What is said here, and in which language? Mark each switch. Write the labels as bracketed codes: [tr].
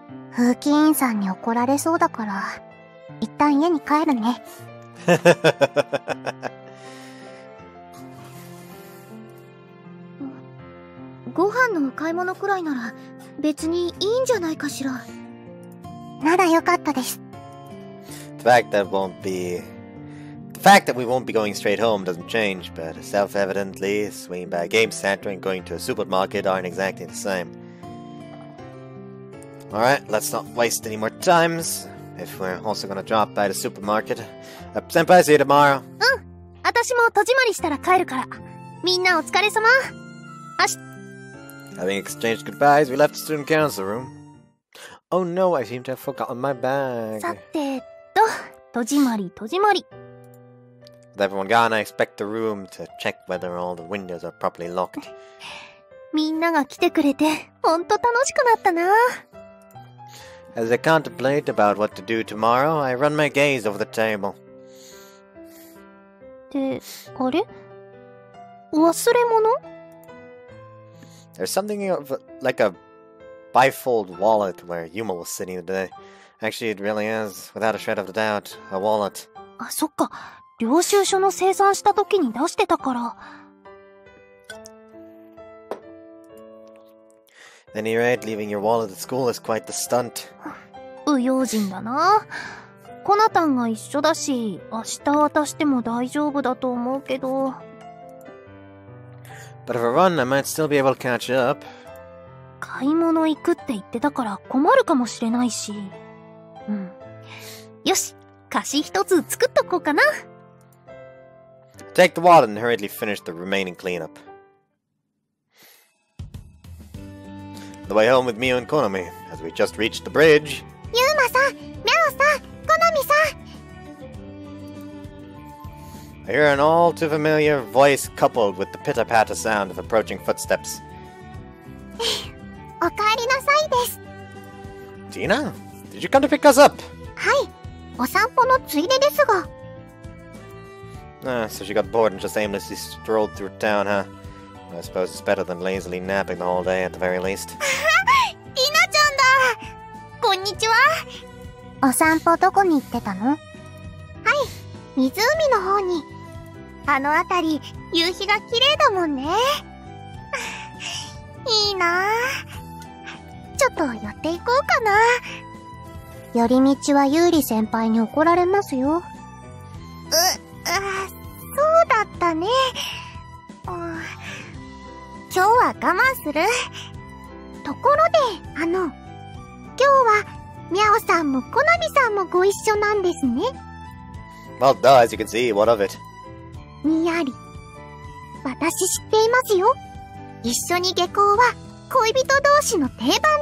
[ja] 風紀委員さんに怒られそうだから、一旦家に帰るね。ご飯のお買い物くらいなら、別にいいんじゃないかしら。ならよかったです。 [en] The fact that we won't be going straight home doesn't change, but self-evidently, swinging by a game center and going to a supermarket aren't exactly the same. Alright, let's not waste any more time, if we're also gonna drop by the supermarket. Senpai, see you tomorrow! [ja] うん、私も戸締まりしたら帰るから。みんなお疲れ様。 [en] Having exchanged goodbyes, we left the student council room. Oh no, I seem to have forgotten my bag. [ja] さて、戸締まり。 [en] With everyone gone, I expect the room to check whether all the windows are properly locked. [ja] みんなが来てくれて、ほんと楽しくなったな。 [en] As I contemplate about what to do tomorrow, I run my gaze over the table. [ja] で、あれ?忘れ物? [en] There's something of like a bifold wallet where Yuma was sitting today. Actually, it really is, without a shred of a doubt, a wallet. [ja] あ、そっか。領収書の清算した時に出してたから。 [en] At any rate, leaving your wallet at school is quite the stunt. [ja] 不用心だな。コナタンが一緒だし、明日渡しても大丈夫だと思うけど。 [en] But if I run, I might still be able to catch up. [ja] 買い物行くって言ってたから困るかもしれないし。うん。よし、貸し一つ作っとこうかな。 [en] Take the wallet and hurriedly finish the remaining cleanup. The way home with Miu and Konami, as we just reached the bridge. [ja] Yuma-san! Miao-san! Konami-san! [en] I hear an all-too-familiar voice coupled with the pitter-patter sound of approaching footsteps. [ja] Okaerinasai desu! [en] Tina? Did you come to pick us up? [ja] Hai! Osanpo no tsuide desu ga. [en] Ah, so she got bored and just aimlessly strolled through town, huh? I suppose it's better than lazily napping the whole day, at the very least. [ja] Tina-chan da! Konnichiwa! お散歩どこに行ってたの? はい、湖の方に。あの辺り、夕日が綺麗だもんね。いいなぁ。ちょっと寄っていこうかな。寄り道はユーリ先輩に怒られますよ。そうだったね。今日は我慢する。ところで、今日は、ミャオさんもコナミさんもご一緒なんですね。 [en] Well, though, as you can see, what of it? [ja] にやり。私知っていますよ。一緒に下校は恋人同士の定番です。